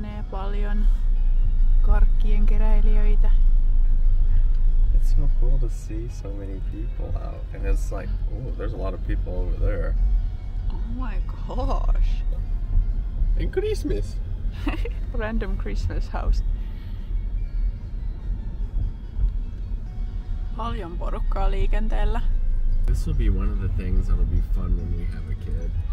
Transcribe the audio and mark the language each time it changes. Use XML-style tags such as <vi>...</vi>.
<fi>Paljon karkkien keräilijöitä.</fi> <en>It's so cool to see so many people out. And it's like, ooh, there's a lot of people over there. Oh my gosh. And Christmas. Random Christmas house.</en> <fi>Paljon porukkaa liikenteellä.</fi> <en>This will be one of the things that will be fun when we have a kid.</en>